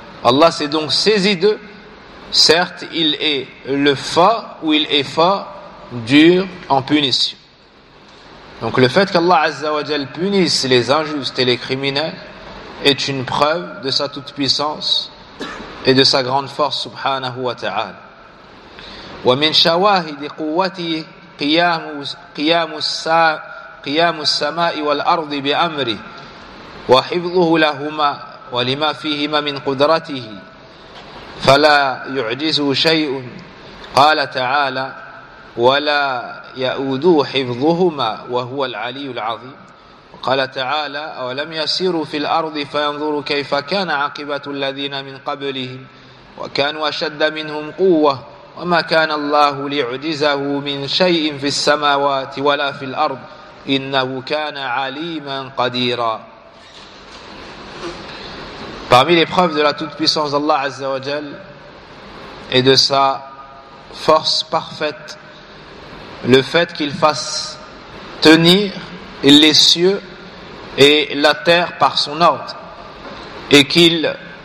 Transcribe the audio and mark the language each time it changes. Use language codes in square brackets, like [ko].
[fr] Allah s'est donc saisi d'eux. Certes, il est le fa ou il est fa dur en punition. Donc le fait qu'Allah Azza wa Jal punisse les injustes et les criminels est une preuve de sa toute-puissance et de sa grande force, subhanahu wa ta'ala. [ar] ومن شواهد قوته قيام السماء والأرض بأمره وحفظه لهما ولما فيهما من قدرته فلا يعجزه شيء قال تعالى ولا يؤوده حفظهما وهو العلي العظيم قال تعالى أولم يسيروا في الأرض فينظروا كيف كان عاقبة الذين من قبلهم وكانوا أشد منهم قوة وما كان الله ليعجزه من شيء في السماوات ولا في الأرض إنه كان عليما قديرا. [fr] Parmi les preuves de la toute-puissance d'Allah Azza wa Jal et de sa force parfaite, le fait qu'il fasse tenir les cieux et la terre par son ordre et qu'il